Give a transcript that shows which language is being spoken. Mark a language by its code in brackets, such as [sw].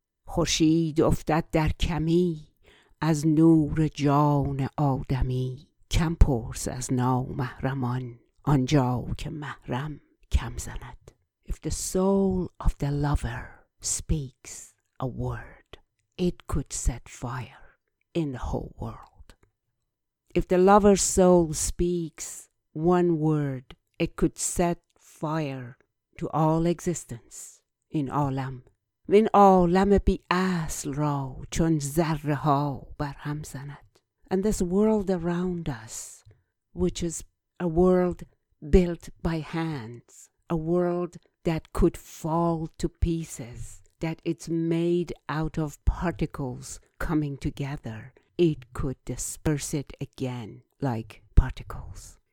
[fa] خورشید افتد در کمی از نور جان آدمی، کم پرس از نامحرمان آنجا که محرم کم زند. [en] If the soul of the lover speaks a word, it could set fire in the whole world. If the lover's soul speaks one word, it could set fire to all existence in عالم. [fa] من عالم بی اصل را چون ذره ها بر هم زند. [en] And this world around us, which is a world built by hands, a world that could fall to pieces, that it's made out of particles coming together, it could disperse it again like particles.